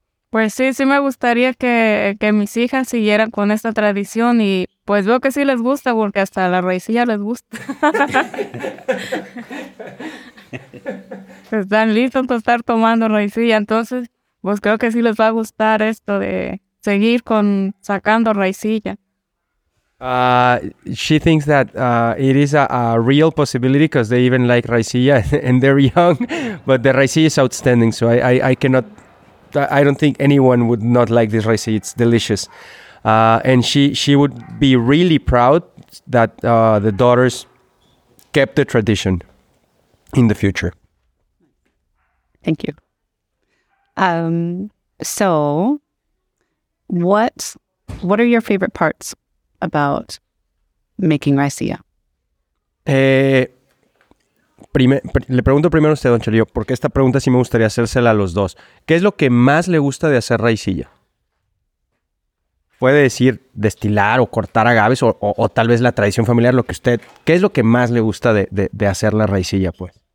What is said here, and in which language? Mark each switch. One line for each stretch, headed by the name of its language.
Spanish: Pues sí, sí me gustaría que mis hijas siguieran con esta tradición y pues veo que sí les gusta porque hasta la raicilla les gusta. Están listos para estar tomando raicilla, entonces pues creo que sí les va a gustar esto de seguir con sacando raicilla.
English: She thinks that it is a real possibility because they even like raicilla and they're young, but the raicilla is outstanding, so I don't think anyone would not like this rice. It's delicious. And she would be really proud that the daughters kept the tradition in the future. Thank you. So what are your favorite parts about making raicilla?
Spanish: Le pregunto primero a usted, don Chalio, porque esta pregunta sí me gustaría hacérsela a los dos. ¿Qué es lo que más le gusta de hacer raicilla? Puede decir destilar o cortar agaves o tal vez la tradición familiar, lo que usted... ¿Qué es lo que más le gusta de hacer la raicilla, pues?